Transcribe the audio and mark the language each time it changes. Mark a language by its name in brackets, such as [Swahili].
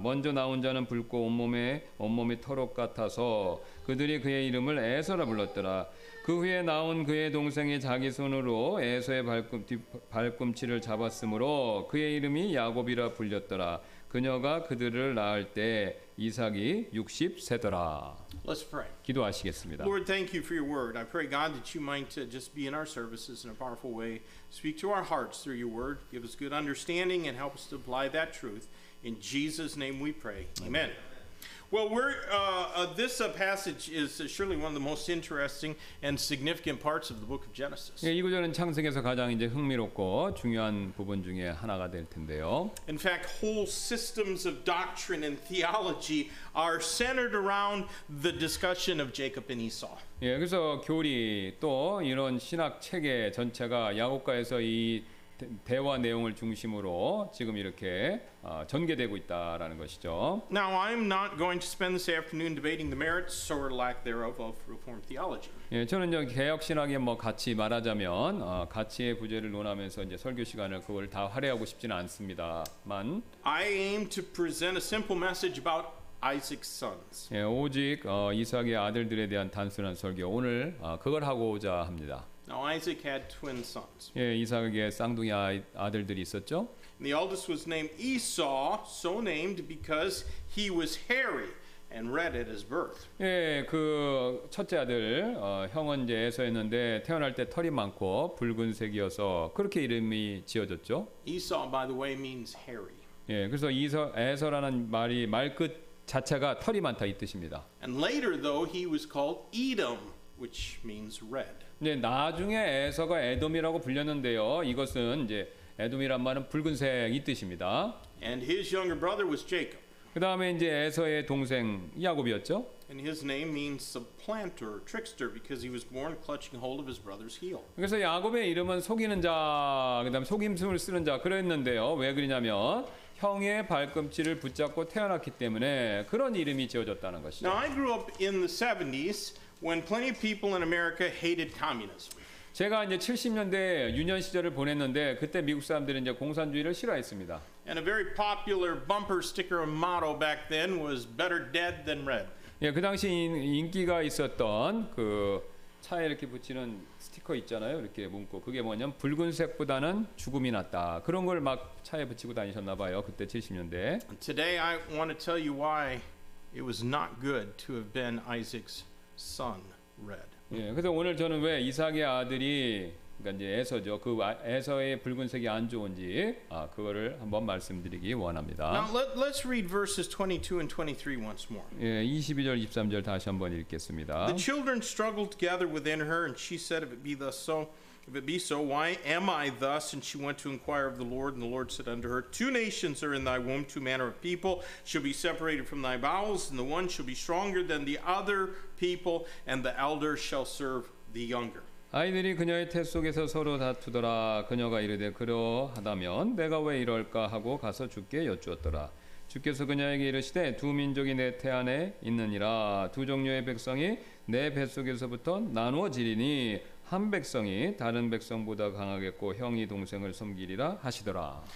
[Korean] 먼저 나온 자는 붉고 온몸이 털옷 같아서 그들이 그의 이름을 에서라 불렀더라. 그 후에 나온 그의 동생이 자기 손으로 에서의 발꿈치를 잡았으므로 그의 이름이 야곱이라 불렸더라. 그녀가 그들을 낳을 때 이삭이 63세더라. [English] Let's pray. [Korean] 기도하시겠습니다. [English] Lord, thank you for your word. I pray, God, that you might just be in our services in a powerful way. Speak to our hearts through your word. Give us good understanding and help us to apply that truth. In Jesus' name we pray. Amen. Well, this passage is surely one of the most interesting and significant parts of the book of Genesis. [Korean] 예, 이 구절은 창세기에서 가장 이제 흥미롭고 중요한 부분 중에 하나가 될 텐데요. [English] In fact, whole systems of doctrine and theology are centered around the discussion of Jacob and Esau. [Korean] 예, 그래서 교리 또 이런 신학 체계 전체가 야곱과 에서 이 대화 내용을 중심으로 지금 이렇게 전개되고 있다라는 것이죠. [English] Now I'm not going to spend this afternoon debating the merits or lack thereof of Reformed theology. [Korean] 예, 저는 이제 개혁 신학에 뭐 같이 말하자면 가치의 부재를 논하면서 이제 설교 시간을 그걸 다 할애하고 싶지는 않습니다만. [English] I aim to present a simple message about Isaac's sons. [Korean] 예, 오직 이삭의 아들들에 대한 단순한 설교 오늘 그걸 하고자 합니다. [English] Now Isaac had twin sons. [Korean] 예, 이삭에게 쌍둥이 아들들이 있었죠. [English] And the eldest was named Esau, so named because he was hairy and red at his birth. [Korean] 예, 그 첫째 아들 형은 이제 에서였는데 태어날 때 털이 많고 붉은색이어서 그렇게 이름이 지어졌죠. [English] Esau, by the way, means hairy. [Korean] 예, 그래서 에서라는 말이 말 끝 자체가 털이 많다 이 뜻입니다. [English] And later, though, he was called Edom, which means red. [Korean] 네, 나중에 에서가 에돔이라고 불렸는데요. 이것은 이제 에돔이란 말은 붉은색이 뜻입니다. [English] And his younger brother was Jacob. [Korean] 그다음에 이제 에서의 동생 야곱이었죠. [English] And his name means supplanter, trickster because he was born clutching hold of his brother's heel. [Korean] 그래서 야곱의 이름은 속이는 자, 그다음 속임수를 쓰는 자 그랬는데요. 왜 그러냐면 형의 발꿈치를 붙잡고 태어났기 때문에 그런 이름이 지어졌다는 것이죠. [English] Now I grew up in the 70s. When plenty of people in America hated communism. [Korean] 제가 이제 70년대 유년 시절을 보냈는데 그때 미국 사람들은 이제 공산주의를 싫어했습니다. [English] And a very popular bumper sticker motto back then was better dead than red. [Korean] 예, 그 당시 인기가 있었던 그 차에 이렇게 붙이는 스티커 있잖아요. 이렇게 문구. 그게 뭐냐면 붉은색보다는 죽음이 낫다. 그런 걸 막 차에 붙이고 다니셨나 봐요. 그때 70년대. [English] Today I want to tell you why it was not good to have been Isaac's son red. [Korean] 예, 그래서 오늘 저는 왜 이삭의 아들이 그러니까 이제 에서죠. 그 에서의 붉은색이 안 좋은지 그거를 한번 말씀드리기 원합니다. [English] Now let's read verses 22 and 23 once more. [Korean] 예, 22절 23절 다시 한번 읽겠습니다. [English] The children struggled together within her and she said if it be so why am I thus? And she went to inquire of the Lord and the Lord said unto her two nations are in thy womb, two manner of people shall be separated from thy bowels and the one shall be stronger than the other people and the elder shall serve the younger. [Korean] 아이들이 그녀의 태 속에서 서로 다투더라. 그녀가 이르되 그러하다면 내가 왜 이럴까 하고 가서 주께 여쭈었더라. 주께서 그녀에게 이르시되 두 민족이 내 태 안에 있느니라. 두 종류의 백성이 내 뱃속에서부터 나누어지리니 한 백성이 다른 백성보다 강하겠고 형이 동생을 섬기리라 하시더라.